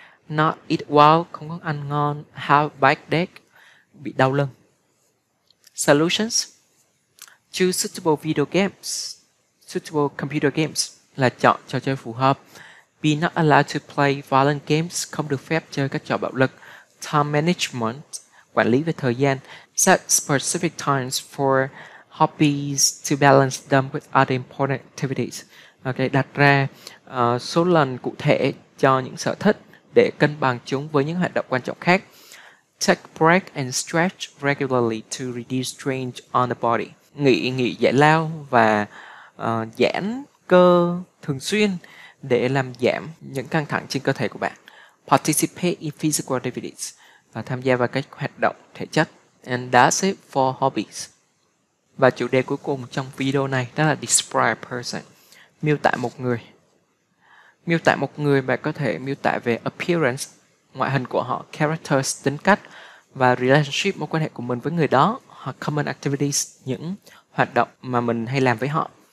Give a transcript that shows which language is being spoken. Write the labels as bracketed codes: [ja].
[en] Not eat well, [vi] không có ăn ngon. [en] Have back ache, [vi] bị đau lưng. [en] Solutions, choose suitable video games, suitable computer games, [vi] là chọn trò chơi phù hợp. [en] Be not allowed to play violent games, [vi] không được phép chơi các trò bạo lực. [en] Time management, [vi] quản lý về thời gian. [en] Set specific times for hobbies to balance them with other important activities. [vi] Okay, đặt ra số lần cụ thể cho những sở thích để cân bằng chúng với những hoạt động quan trọng khác. [en] Take break and stretch regularly to reduce strain on the body. [vi] Nghỉ giải lao và giãn cơ thường xuyên để làm giảm những căng thẳng trên cơ thể của bạn. [en] Participate in physical activities, [vi] và tham gia vào các hoạt động thể chất. [en] And that's it for hobbies. [vi] Và chủ đề cuối cùng trong video này, đó là [en] describe a person, [vi] miêu tả một người. Miêu tả một người, bạn có thể miêu tả về appearance, ngoại hình của họ, characters, tính cách, và relationship, mối quan hệ của mình với người đó, hoặc common activities, những hoạt động mà mình hay làm với họ.